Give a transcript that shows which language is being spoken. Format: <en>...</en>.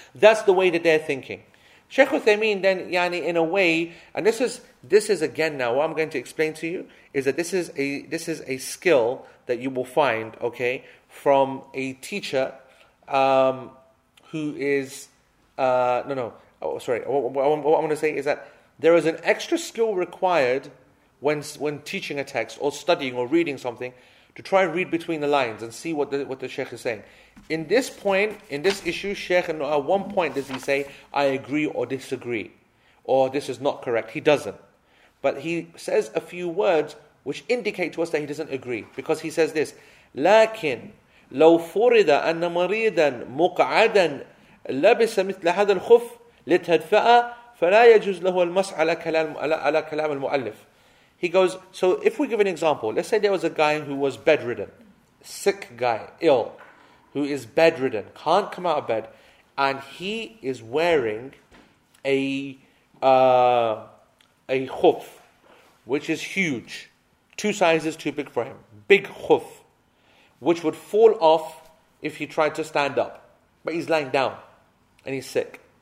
<en>That's the way that they're thinking. Sheikh Uthaymeen then, yani, in a way, and this is again now, what I'm going to explain to you is that this is a skill that you will find, okay, from a teacher what I'm going to say is that there is an extra skill required when teaching a text or studying or reading something, to try and read between the lines and see what the Sheikh is saying. In this point, in this issue, Sheikh, at one point does he say, I agree or disagree, or this is not correct. He doesn't. But he says a few words which indicate to us that he doesn't agree. Because he says this,</en> <ar>لكن لو فرض أن مريضا مقعدا لبس مثل هذا الخف لتدفأ فلا يجوز له المس على كلام المؤلف.</ar> <en>He goes, so if we give an example, let's say there was a guy who was bedridden, sick guy, ill, who is bedridden, can't come out of bed, and he is wearing a khuf, which is huge, two sizes too big for him, big khuf, which would fall off if he tried to stand up, but he's lying down, and he's sick.</en>